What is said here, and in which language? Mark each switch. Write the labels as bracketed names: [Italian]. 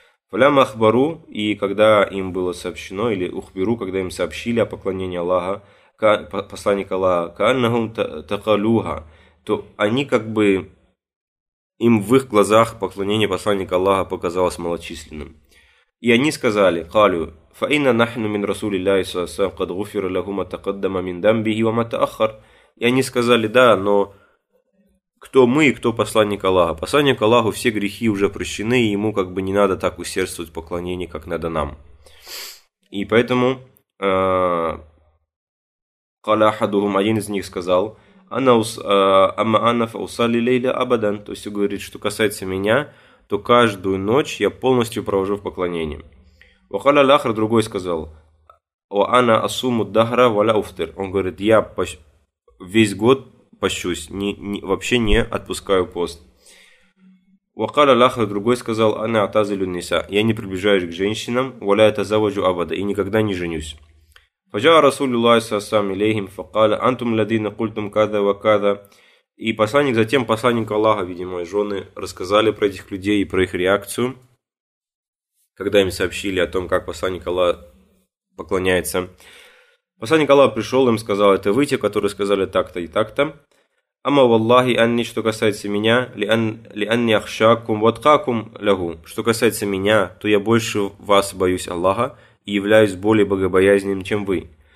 [Arabic] Фалям ахбару, [Russian] и когда им было сообщено, или [Arabic] ухбиру, [Russian] когда им сообщили о поклонении Аллаха, посланника Аллаха, [Arabic] каннахум такалюха, [Russian] то они как бы, им в их глазах поклонение посланника Аллаха показалось малочисленным. И они сказали, [Arabic] калю, فَإِنَّ نَحْنُ مِنْ رَسُولِ اللَّهِ صَلَّى اللَّهُ عَلَيْهِ وَسَلَّمَ قَدْ غُفِرَ لَهُمَا تَقَدَّمَ مِنْ ذَنْبِهِ وَمَا تَأَخَّرَ. [Russian] И они сказали, да, но кто мы и кто посланник Аллаха? Посланник Аллаху все грехи уже прощены, и ему как бы не надо так усердствовать в поклонении, как надо нам. И поэтому [Arabic] قَالَ أَحَدُهُمْ, [Russian] один из них сказал, [Arabic] أَمَّا أَنَّ فَأُصَلِّي لَيْلًا أَبَدًا, [Russian] то есть говорит, что касается меня, то каждую ночь я полностью провожу в поклонении. [Arabic] وقال الآخر, [Russian] другой сказал, [Arabic] وأنا أصوم الدهر ولا أفطر. [Russian] Он говорит, я весь год пощусь, вообще не отпускаю пост. [Arabic] وقال الآخر, [Russian] другой сказал, [Arabic] أنا أعتزل النساء. [Russian] Я не приближаюсь к женщинам, [Arabic] ولا أتزوج أبدا, [Russian] и никогда не женюсь. [Arabic] فجاء رسول الله صلى الله عليه وسلم إليهم فقال أنتم الذين قلتم كذا وكذا. [Russian] И посланник, затем посланник Аллаха, видимо, и жены рассказали про этих людей и про их реакцию, когда им сообщили о том, как посланник Аллах поклоняется. Посланник Аллах пришел, им сказал, это вы те, которые сказали так-то и так-то. [Arabic] «Ама валлахи анни, [Russian] что касается меня, [Arabic] ли анни ахшакум ваткакум лягу, [Russian] что касается меня, то я больше вас боюсь Аллаха и являюсь более богобоязненным, чем вы.